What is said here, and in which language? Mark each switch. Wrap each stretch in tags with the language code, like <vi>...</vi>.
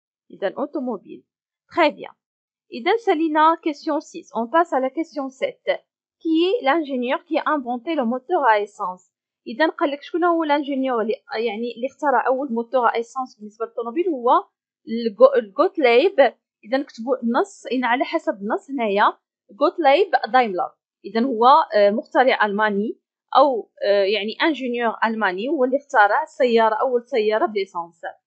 <ar>اذا automobile.</ar> <fr>Très bien.</fr> <ar>اذا سالينا question 6.</ar> <fr>On passe à la question 7. Qui est l'ingénieur qui a inventé le moteur à essence?</fr> <ar>اذا قال لك شكون هو الانجينيور اللي يعني اللي اخترع اول موتور ا ايسانس بالنسبه للطوموبيل؟ هو غوتليب. اذا نكتبوا النص على حسب النص هنايا غوتليب دايملر. اذا هو مخترع الماني او يعني انجينيور الماني هو اللي اخترع السياره اول سياره بليسانس.</ar>